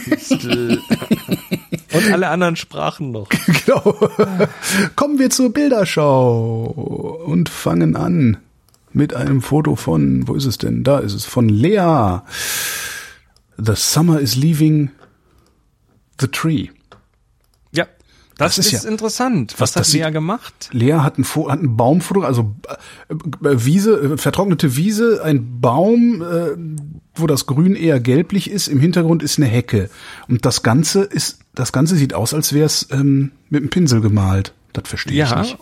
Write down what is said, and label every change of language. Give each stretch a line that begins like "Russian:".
German: Und alle anderen Sprachen noch. Genau. Kommen wir zur Bilderschau und fangen an mit einem Foto von, wo ist es denn? Da ist es, von Lea.
English: The summer is leaving the tree.
German: Ja, das ist interessant. Was hat Lea gemacht? Lea hat ein Baumfoto, also Wiese, vertrocknete Wiese, ein Baum, wo das Grün eher gelblich ist. Im Hintergrund ist eine Hecke. Und das Ganze sieht aus, als wäre es mit einem Pinsel gemalt. Das verstehe ich nicht. Ja,